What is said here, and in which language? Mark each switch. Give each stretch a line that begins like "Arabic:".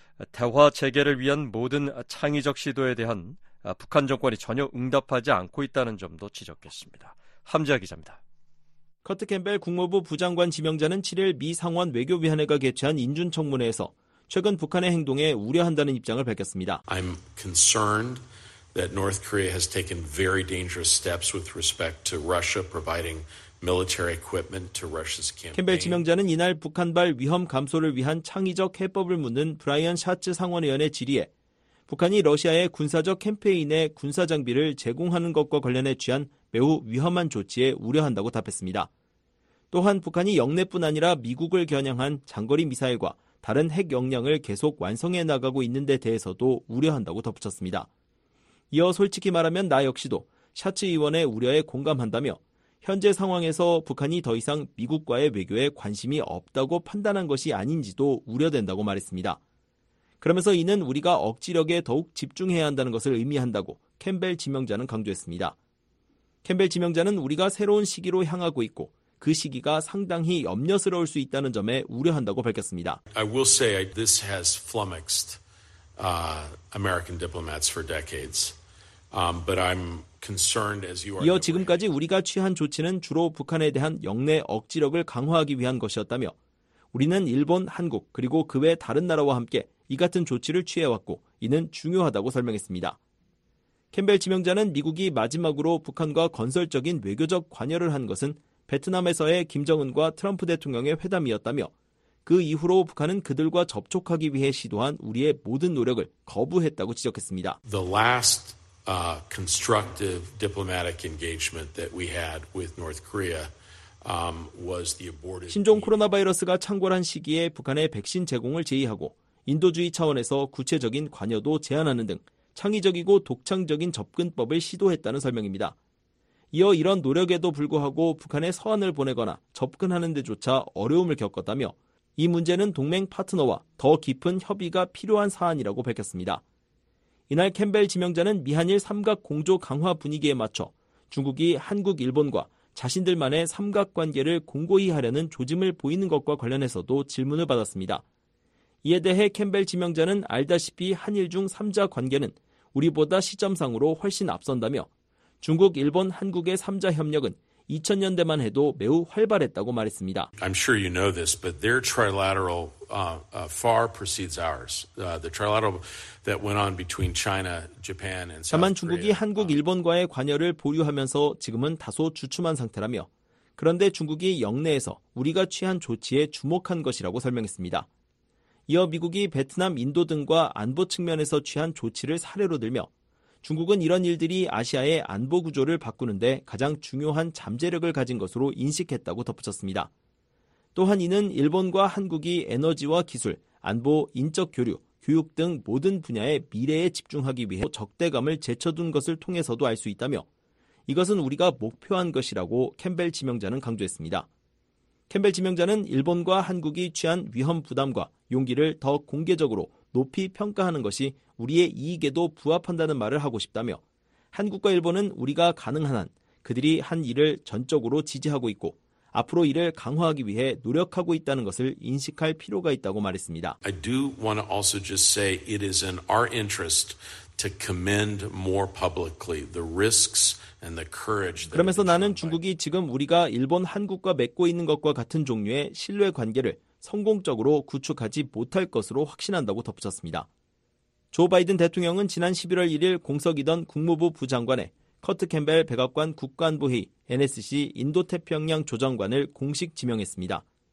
Korean: 대화 재개를 위한 모든 창의적 시도에 대한 북한 정권이 전혀 응답하지 않고 있다는 점도 지적했습니다. 함지아 기자입니다. 커트 캠벨 국무부 부장관 지명자는 7일 미 상원 외교위원회가 개최한 인준청문회에서 최근 북한의 행동에 우려한다는 입장을 밝혔습니다.
English: I'm concerned that North Korea has taken very dangerous steps with respect to Russia providing military equipment to Russia's campaign.
Korean: 캠벨 지명자는 이날 북한발 위험 감소를 위한 창의적 해법을 묻는 브라이언 샤츠 상원의원의 질의에 북한이 러시아의 군사적 캠페인에 군사 장비를 제공하는 것과 관련해 취한 매우 위험한 조치에 우려한다고 답했습니다. 또한 북한이 영내뿐 아니라 미국을 겨냥한 장거리 미사일과 다른 핵 역량을 계속 완성해 나가고 있는 데 대해서도 우려한다고 덧붙였습니다. 이어 솔직히 말하면 나 역시도 샤츠 의원의 우려에 공감한다며 현재 상황에서 북한이 더 이상 미국과의 외교에 관심이 없다고 판단한 것이 아닌지도 우려된다고 말했습니다. 그러면서 이는 우리가 억지력에 더욱 집중해야 한다는 것을 의미한다고 캠벨 지명자는 강조했습니다. 캠벨 지명자는 우리가 새로운 시기로 향하고 있고 그 시기가 상당히 염려스러울 수 있다는 점에 우려한다고 밝혔습니다.
English: I will say this has flummoxed American diplomats for decades. But I'm concerned as you are.
Korean: 이어 지금까지 우리가 취한 조치는 주로 북한에 대한 영내 억지력을 강화하기 위한 것이었다며 우리는 일본, 한국 그리고 그 외 다른 나라와 함께 이 같은 조치를 취해왔고 이는 중요하다고 설명했습니다. 캠벨 지명자는 미국이 마지막으로 북한과 건설적인 외교적 관여를 한 것은 베트남에서의 김정은과 트럼프 대통령의 회담이었다며 그 이후로 북한은 그들과 접촉하기 위해 시도한 우리의 모든 노력을 거부했다고 지적했습니다.
English: The last constructive diplomatic engagement that we had with North Korea was the aborted
Korean: 신종 코로나 바이러스가 창궐한 시기에 북한의 백신 제공을 제의하고 인도주의 차원에서 구체적인 관여도 제안하는 등 창의적이고 독창적인 접근법을 시도했다는 설명입니다. 이어 이런 노력에도 불구하고 북한에 서한을 보내거나 접근하는 데조차 어려움을 겪었다며 이 문제는 동맹 파트너와 더 깊은 협의가 필요한 사안이라고 밝혔습니다. 이날 캠벨 지명자는 미한일 삼각 공조 강화 분위기에 맞춰 중국이 한국, 일본과 자신들만의 삼각관계를 공고히 하려는 조짐을 보이는 것과 관련해서도 질문을 받았습니다. 이에 대해 캠벨 지명자는 알다시피 한일 중 3자 관계는 우리보다 시점상으로 훨씬 앞선다며 중국, 일본, 한국의 3자 협력은 2000년대만 해도 매우 활발했다고 말했습니다.
English: I'm sure you know this, but their trilateral far precedes ours. The trilateral that went on between China, Japan and South Korea.
Korean: 다만 중국이 한국, 일본과의 관여를 보류하면서 지금은 다소 주춤한 상태라며 그런데 중국이 역내에서 우리가 취한 조치에 주목한 것이라고 설명했습니다. 이어 미국이 베트남, 인도 등과 안보 측면에서 취한 조치를 사례로 들며 중국은 이런 일들이 아시아의 안보 구조를 바꾸는 데 가장 중요한 잠재력을 가진 것으로 인식했다고 덧붙였습니다. 또한 이는 일본과 한국이 에너지와 기술, 안보, 인적 교류, 교육 등 모든 분야의 미래에 집중하기 위해 적대감을 제쳐둔 것을 통해서도 알 수 있다며 이것은 우리가 목표한 것이라고 캠벨 지명자는 강조했습니다. 캠벨 지명자는 일본과 한국이 취한 위험 부담과 용기를 더 공개적으로 높이 평가하는 것이 우리의 이익에도 부합한다는 말을 하고 싶다며 한국과 일본은 우리가 가능한 한 그들이 한 일을 전적으로 지지하고 있고 앞으로 이를 강화하기 위해 노력하고 있다는 것을 인식할 필요가 있다고 말했습니다.
English: I do want to also just say it is in our interest to commend more publicly the risks and the courage.
Korean: 그러면서 나는 중국이 지금 우리가 일본, 한국과 맺고 있는 것과 같은 종류의 신뢰 관계를 성공적으로 구축하지 못할 것으로 확신한다고 덧붙였습니다. 조 바이든 대통령은 지난 11월 1일 공석이던 국무부 부장관에 커트 캠벨 백악관 국가안보회의 NSC 인도태평양 조정관을 공식 지명했습니다.